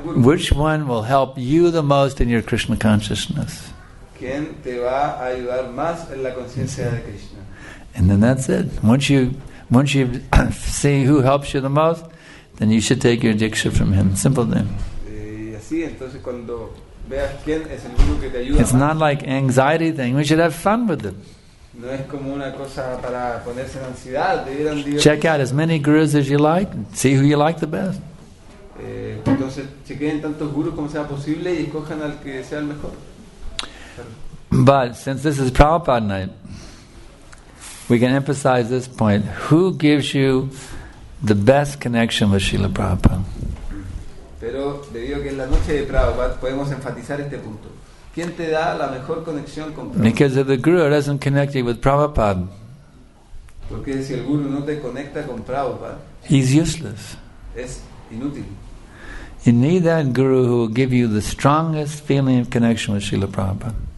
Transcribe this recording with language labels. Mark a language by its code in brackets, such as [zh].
[en] Which one will help you the most in your Krishna consciousness? [es] ¿Quién te va a ayudar más en la conciencia de Krishna? [en] And then that's it. Once you see who helps you the most, then you should take your diksha from him. Simple thing. [es] Así, entonces cuando veas quién es el guru que te ayuda. [en] It's not like anxiety thing. We should have fun with it. [es] No es como una cosa para ponerse en ansiedad. Deberían decir. [en] Check out as many gurus as you like. And see who you like the best. [es] Entonces chequen tantos gurus como sea posible y escojan al que sea el mejor. [en] But since this is Prabhupada night, we can emphasize this point. Who gives you the best connection with Srila Prabhupada? [es] Pero debido a que es la noche de Prabhupada, podemos enfatizar este punto. ¿Quién te da la mejor conexión con Prabhupada? [en] Because if the guru doesn't connect you with Prabhupada, [es] porque si el guru no te conecta con Prabhupada, [en] he's useless. [es] Es inútil. [en] You need that guru who will give you the strongest feeling of connection with Srila Prabhupada.